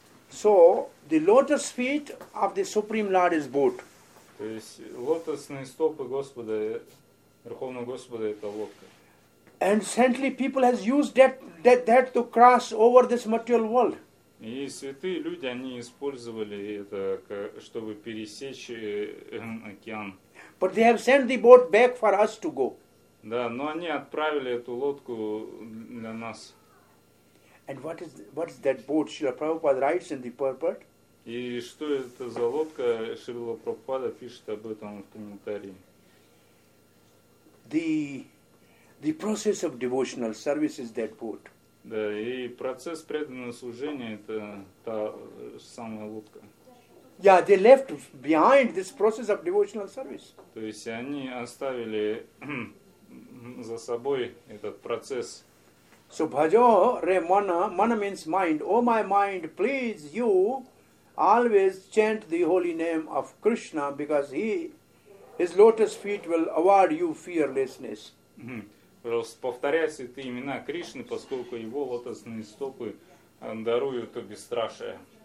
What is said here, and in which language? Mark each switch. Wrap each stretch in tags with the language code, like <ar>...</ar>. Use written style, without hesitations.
<en>So, the lotus feet of the Supreme Lord is boat.</en> <ru>То есть лотосные стопы Господа, Верховного Господа, это лодка.</ru> <en>And saintly people has used that to cross over this material world.</en> <ru>И святые люди, они использовали это, чтобы пересечь океан.</ru> <en>But they have sent the boat back for us to go.</en> <ru>Да, но они отправили эту лодку для нас.</ru> <en>And what is that boat? Srila Prabhupada writes in the purport.</en> <ru>И что это за лодка? Шрила Прабхупада пишет об этом в комментарии.</ru> <en>The process of devotional service is that boat.</en> <ru>Да, и процесс преданного служения это та самая лодка.</ru> <en>Yeah, they left behind this process of devotional service.</en> <ru>То есть они оставили за собой этот процесс.</ru> <en>So</en> <bn>bhajo re mana,</bn> <en>mana means mind. Oh my mind, please you always chant the holy name of Krishna because his lotus feet will award you fearlessness.</en> <ru>Просто повторяй святые имена Кришны, поскольку его лотосные стопы даруют бесстрашие.</ru>